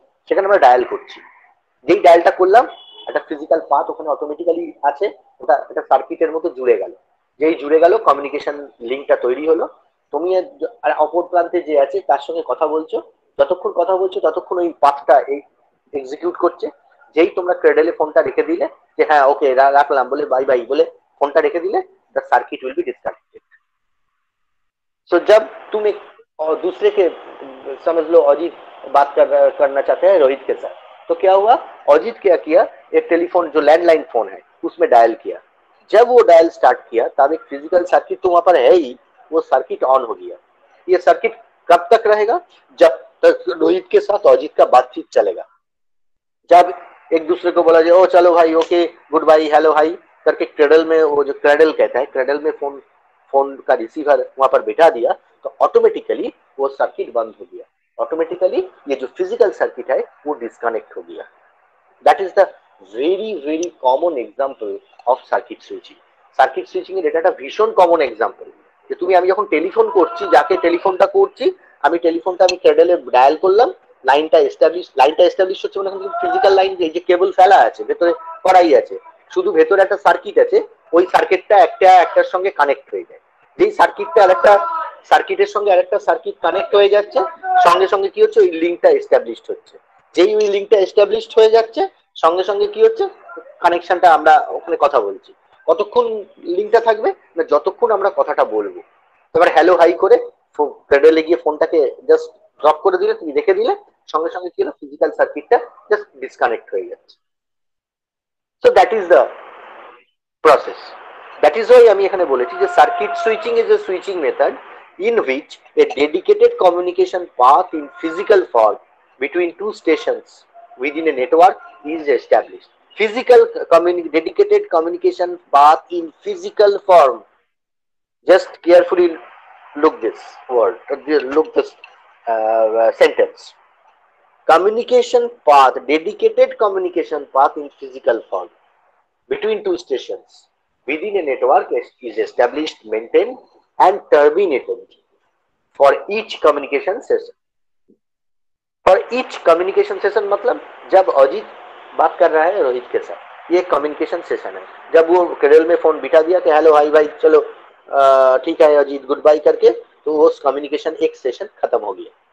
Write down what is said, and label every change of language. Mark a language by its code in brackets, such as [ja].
[bn] সেখানে আমরা ডায়াল করছি, যেই ডায়ালটা করলাম একটা ফিজিক্যাল পাথ ওখানে অটোমেটিক্যালি আছে, ওটা একটা সার্কিটের মতো জুড়ে গেল, যেই জুড়ে গেল কমিউনিকেশন লিঙ্কটা তৈরি হলো। তুমি আর অপর প্রান্তে যে আছে তার সঙ্গে কথা বলছো, যতক্ষণ কথা বলছো ততক্ষণ ওই পাথটা এই এক্সিকিউট করছে। যেই তোমরা ক্রেডেলে ফোনটা রেখে দিলে যে হ্যাঁ ওকে রাখলাম বলে বাই বাই বলে ফোনটা রেখে দিলে, [en] The circuit will be disconnected. [hi] So যাব তুমি দূসরেকে সমঝ লো অজিত बात करना चाहते हैं रोहित के साथ, तो क्या हुआ, अजीत क्या किया, एक टेलीफोन जो लैंडलाइन फोन है उसमें डायल किया। जब वो डायल स्टार्ट किया तब एक फिजिकल सर्किट तो वहां पर है ही, वो सर्किट ऑन हो गया। ये सर्किट कब तक रहेगा? जब तक रोहित के साथ अजीत का बातचीत चलेगा, जब एक दूसरे को बोला जाए ओ चलो भाई okay good bye hello hi करके क्रेडल में, वो जो क्रेडल कहता है क्रेडल में फोन फोन का रिसीवर वहां पर बिठा दिया, तो ऑटोमेटिकली वो सर्किट बंद हो गया, ऑटोमेटिकली ये जो फिजिकल सर्किट है वो डिस्कनेक्ट हो गया। [en] That is the very very common example of circuit switching. [bn] Circuit switching এর এটা একটা ভীষণ কমন এক্সাম্পল, যে তুমি আমি যখন টেলিফোন করছি, যাকে টেলিফোনটা করছি, আমি টেলিফোনটা আমি ক্যাডেলে ডায়াল করলাম, লাইনটা এস্টাবলিশ হচ্ছে, মানে কিন্তু ফিজিক্যাল লাইন যে কেবল ফেলা আছে ভেতরে করাই আছে, শুধু ভেতরে একটা সার্কিট আছে, ওই সার্কিটটা একটা একটার সঙ্গে কানেক্ট হয়ে যায়, যেই সার্কিটটা আরেকটা সার্কিটের সঙ্গে আরেকটা সার্কিট কানেক্ট হয়ে যাচ্ছে, সঙ্গে সঙ্গে কি হচ্ছে ওই লিঙ্কটা এস্টাবলিশ হচ্ছে, যেই ওই লিঙ্কটা এস্টাবলিশ হয়ে যাচ্ছে সঙ্গে সঙ্গে কি হচ্ছে কানেকশনটা, আমরা ওখানে কথা বলছি কতক্ষণ লিঙ্কটা থাকবে না যতক্ষণ আমরা কথাটা বলবো, তারপর হ্যালো হাই করে ক্রেডলে গিয়ে ফোনটাকে জাস্ট ড্রপ করে দিলে, তুমি রেখে দিলে, সঙ্গে সঙ্গে কি হলো ফিজিক্যাল সার্কিটটা জাস্ট ডিসকানেক্ট হয়ে যাচ্ছে। [en] so that is the process, that is why [bn] আমি এখানে বলেছি যে [en] Circuit switching is a switching method in which a dedicated communication path in physical form between two stations within a network is established. Physical communication, dedicated communication path in physical form. Just carefully look this word, look this sentence. Communication path, dedicated communication path in physical form between two stations within a network is established, maintained, and terminated for each communication session. For each communication session, [hi] matlab, jab Ajit बात कर रहा है रोहित के साथ, ये communication session है, जब वो क्रेडल में फोन बिठा दिया कि हेलो भाई भाई चलो ठीक है अजीत गुड बाय करके, तो वो कम्युनिकेशन एक सेशन खत्म हो गया।